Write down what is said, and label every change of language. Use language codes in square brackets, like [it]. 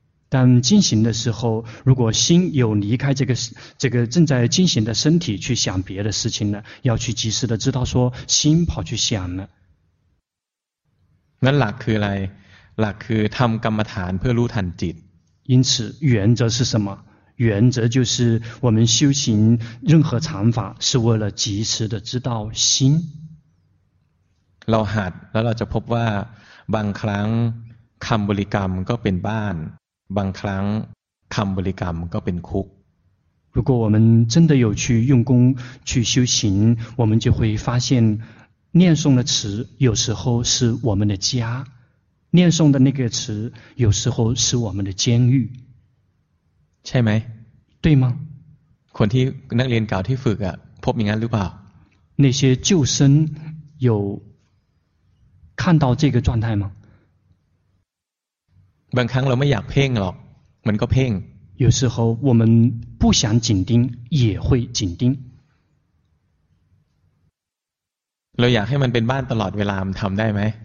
[zh] 但进行的时候，如果心有离开这个正在进行的身体去想别的事情呢，要去及时的知道说心跑去想了。 [th] นั่นหลักคืออะไรหลักคือทำกรรมฐานเพื่อรู้ทันจิต [zh] 因此原则是什么原则就是我们修行任何禅法是为了及时的知道心 [th] เราหัดแล้วเราจะพบว่าบางครั้งคำบริกรรมก็เป็นบ้านบางครั้งคำบริกรรมก็เป็นคุก [zh] 如果我们真的有去用功去修行我们就会发现念诵的词有时候是我们的家念诵的那个词有时候是我们的监狱 [th] ใช่ไหม [zh] 对吗 [th] คนที่นักเรียนเก่าที่ฝึกอ่ะพบอย่างนั้นหรือเปล่า [zh] 那些旧生有看到这个状态吗 [th] บางครั้งเราไม่อยากเพ่งหรอกมันก็เพ่ง [zh] 有时候我们不想紧盯也会紧盯 [th] เราอยากให้มันเป็นบ้านตลอดเวลามันทำได้ไหม